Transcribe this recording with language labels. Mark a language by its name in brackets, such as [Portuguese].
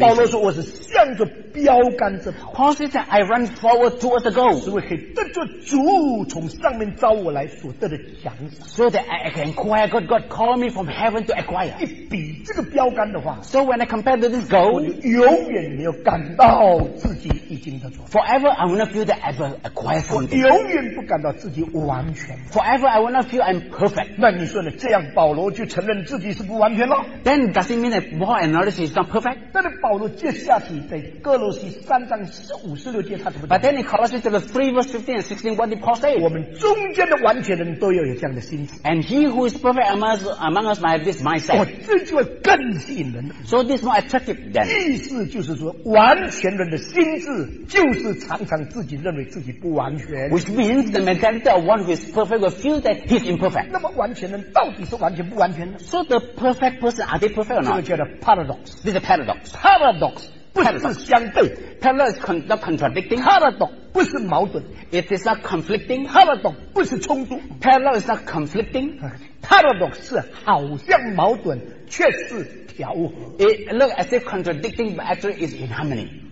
[Chinese] 保罗说我是向着标杆子跑。 [English] Paul says that I run forward towards the goal. [Chinese] 是为可以得着主从上面召我来所得的奖赏。 [English] So that I can acquire God. God call me from heaven to acquire. [Chinese] 一比这个标杆的话。 [English] So when I compare to this goal, [Chinese] 我永远没有感到自己已经得着。 [English] Forever I will not feel that I've acquired something. [Chinese] 永远不感到自己完全。 [English] Forever, I will not feel I'm perfect. [Chinese] 那你说呢？这样保罗就承认自己是不完全了。 [English] Then does it mean that Paul acknowledges he's not perfect? [Chinese] 但是保罗接下去在哥罗西三章十五十六节他怎么讲 [English] ？But then in Colossians chapter 3 verse 15 and 16, what did Paul say? [Chinese] 我们中间的完全人都要有这样的心思。 [English] And he who is perfect among us might have this mindset. [Chinese] 我这句话更吸引人。 [English] So this more attractive than. [Chinese] 意思就是说，完全人的心智就是常常自己认为自己不完全。 [English] Means the mentality of one who is perfect will feel that he's imperfect. [Chinese] 那么完全人到底是完全不完全呢 [English] ？So the perfect person are they perfect or not? [Chinese] 这个叫做 paradox. [English] This is a paradox. [Chinese] Paradox 不是相对 [English] ，paradox not contradicting. [Chinese] Paradox 不是矛盾 [English] ，it is not conflicting. [Chinese] Paradox 不是冲突 [English] ，paradox is not conflicting. [Chinese] Paradox 是好像矛盾，却是调和。 [English] It looks as if contradicting, but actually is in harmony.